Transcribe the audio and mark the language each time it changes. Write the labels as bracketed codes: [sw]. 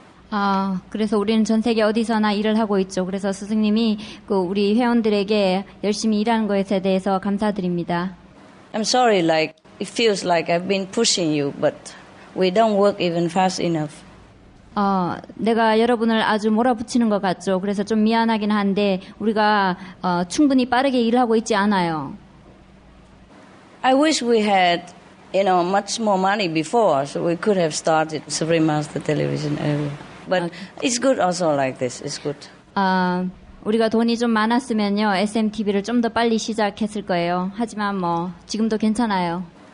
[ko] 아, 그래서 우리는 전 세계 어디서나 일을 하고 있죠. 그래서 스승님이 그 우리 회원들에게 열심히 일하는 것에 대해서 감사드립니다. [en] I'm sorry, like it feels like I've been pushing you, but we don't work even fast enough. [ko] 내가 여러분을 아주 몰아붙이는 것 같죠. 그래서 좀 미안하긴 한데 우리가 충분히 빠르게 일하고 있지 않아요. [en] I wish we had, you know, much more money before, so we could have started Supreme Master Television earlier. But it's good also like this. It's good. [ko] 우리가 돈이 좀 많았으면요, SMTV를 좀 더 빨리 시작했을 거예요. 하지만 뭐 지금도 괜찮아요.